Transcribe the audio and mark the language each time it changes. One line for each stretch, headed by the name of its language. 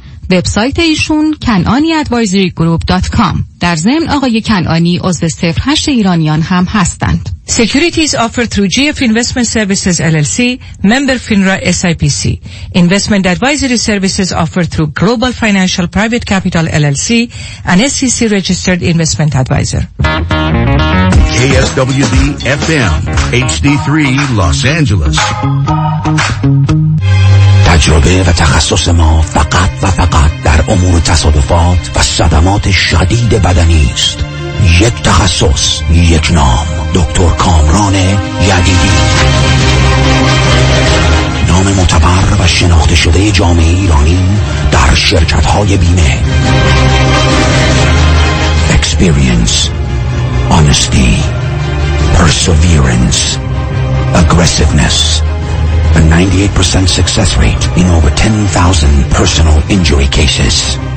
Persian: وبسایت ایشون kanani-advisory-group.com. در ضمن آقای کنعانی عضو 08 ایرانیان هم هستند.
English: Securities offered through GF Investment Services LLC, member FINRA SIPC. Investment advisory services offered through Global Financial Private Capital LLC, an SEC registered investment advisor. KSWB FM HD3 Los Angeles.
Persian: تجربه و تخصص ما فقط و فقط در امور تصادفات و صدمات شدید بدنی است. یک تخصص، یک نام، دکتر کامران یدیدی. نام معتبر و شناخته شده جامعه ایرانی در شرکت های بیمه.
English: Experience, honesty, perseverance, aggressiveness. A 98% success rate in over 10,000 personal injury cases.